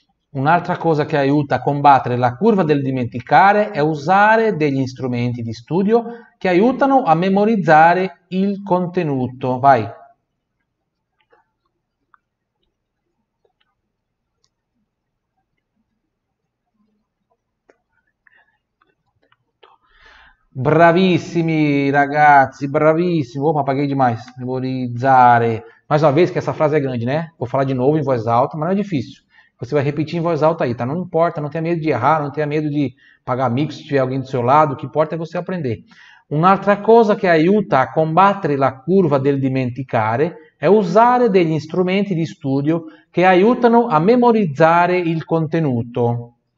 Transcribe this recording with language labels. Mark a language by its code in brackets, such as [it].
[it] Un'altra cosa che aiuta a combattere la curva del dimenticare è usare degli strumenti di studio che aiutano a memorizzare il contenuto. Vai. Bravissimi ragazzi, bravissimo. [pt] Opa, paghi demais. Memorizzare. Mais uma vez, que essa frase é grande, né? Vou falar de novo em voz alta, mas não é difícil. Você vai repetir em voz alta aí, tá? Não importa, não tenha medo de errar, não tenha medo de pagar mico se tiver alguém do seu lado. O que importa é você aprender. [it] Un'altra cosa che aiuta a combattere la curva del dimenticare è usare degli strumenti di studio che aiutano a memorizzare il contenuto.